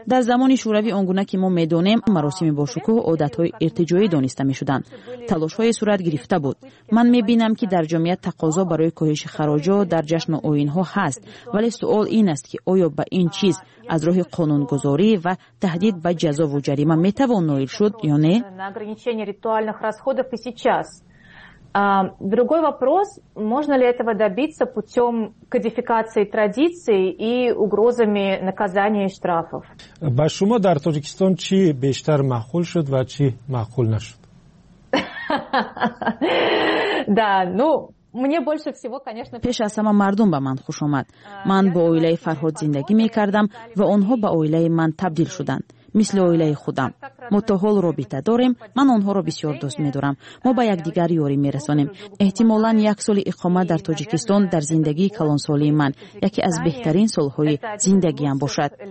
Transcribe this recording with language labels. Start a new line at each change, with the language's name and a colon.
Persian: در زمان شوروی آنگونه که ما میدانیم، مراسم باشکوه عادت های ارتجاعی دانسته میشدند. تلاش های صورت گرفته بود. من میبینم که در جامعه تقاضا برای کاهش خراجات در جشن و آیین ها هست، ولی سوال این است که آیا به این چیز از راه قانون گذاری و تهدید به جزا و جریمه میتوان نایل شد یا نه؟
Russian: ограничение ритуальных расходов и сейчас. Другой вопрос, можно ли этого добиться путем кодификации традиций и угрозами наказания и штрафов.
Tajik: Ба шумо дар Тоҷикистон чи бештар маъқул шуд ва чи маъқул нашуд?
Russian: Да, ну мне больше всего, конечно,
Tajik: пеш аз сама мардум ба ман хуш омад. Ман бо оилаи Фарҳод зиндагӣ мекардам ва онҳо ба оилаи ман табдил шуданд.
Persian: مثل اویله خودم. ما تا حال رابطه داریم. من آنها را بسیار دوست می دارم. ما با یک دیگر یاری می رسانیم. احتمالاً یک سال اقامت در تاجیکستان در زندگی کلان سالی من یکی از بهترین سالهای زندگی هم باشد.